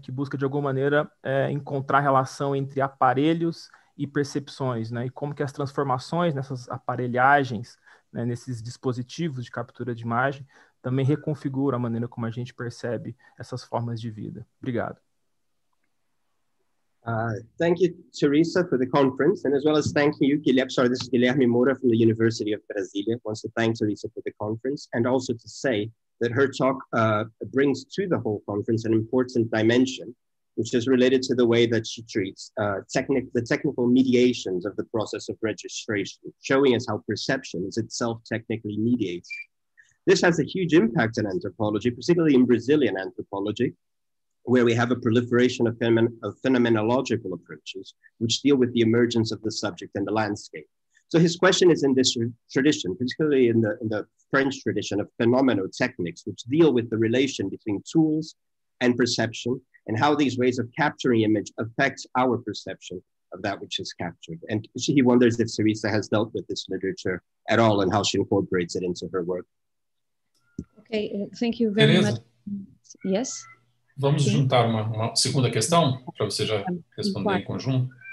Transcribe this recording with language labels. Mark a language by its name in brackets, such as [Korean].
[Portuguese] Que busca, de alguma maneira, encontrar relação entre aparelhos e percepções, né? E como que as transformações nessas aparelhagens, né? Nesses dispositivos de captura de imagem, também reconfigura a maneira como a gente percebe essas formas de vida. Obrigado. [English] Thank you, Teresa, for the conference, and as well as thanking you, this is Guilherme Moura from the University of Brasília, wants to thank Teresa for the conference, and also to say that her talk brings to the whole conference an important dimension, which is related to the way that she treats the technical mediations of the process of registration, showing us how perception is itself technically mediated. This has a huge impact in anthropology, particularly in Brazilian anthropology, where we have a proliferation of phenomenological approaches, which deal with the emergence of the subject and the landscape. So his question is in this tradition, particularly in the French tradition of phenomenotechnics, which deal with the relation between tools and perception and how these ways of capturing image affects our perception of that which is captured. And he wonders if Teresa has dealt with this literature at all and how she incorporates it into her work. Okay, thank you very much. Yes? [Portuguese] Vamos juntar uma segunda questão para você já responder em conjunto.